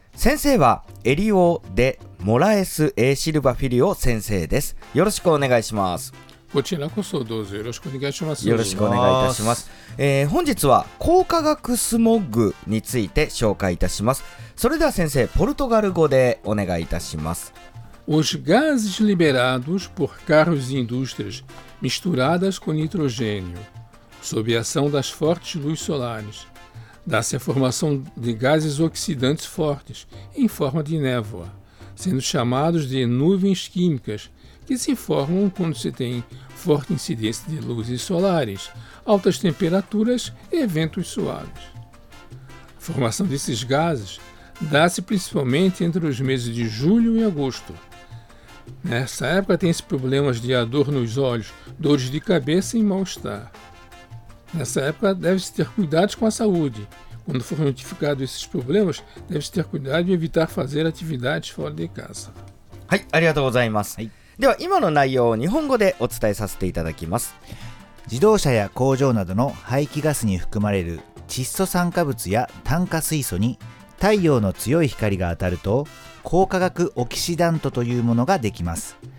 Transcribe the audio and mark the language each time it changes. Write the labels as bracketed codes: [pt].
[ja] 先生はエリオ・デ・モラエス・エシルバ・フィリオ先生です。よろしくお願いします。こちらこそどうぞよろしくお願いします。よろしくお願いいたします。本日は光化学スモッグについて紹介いたします。それでは先生、ポルトガル語でお願いいたします。 [pt] Os gases liberados por carros e indústrias misturadas com nitrogênio sob a ação das fortes luzes solares dá-se a formação de gases oxidantes fortes em forma de névoa sendo chamados de nuvens químicasque se formam quando se tem forte incidência de luzes solares, altas temperaturas e eventos suaves. A formação desses gases dá-se principalmente entre os meses de julho e agosto. Nessa época tem-se problemas de dor nos olhos, dores de cabeça e mal-estar. Nessa época deve-se ter cuidado com a saúde. Quando for notificado esses problemas, deve-se ter cuidado e evitar fazer atividades fora de casa. [ja] はい、ありがとうございます。はい。では今の内容を日本語でお伝えさせていただきます。自動車や工場などの排気ガスに含まれる窒素酸化物や炭化水素に太陽の強い光が当たると光化学オキシダントというものができます。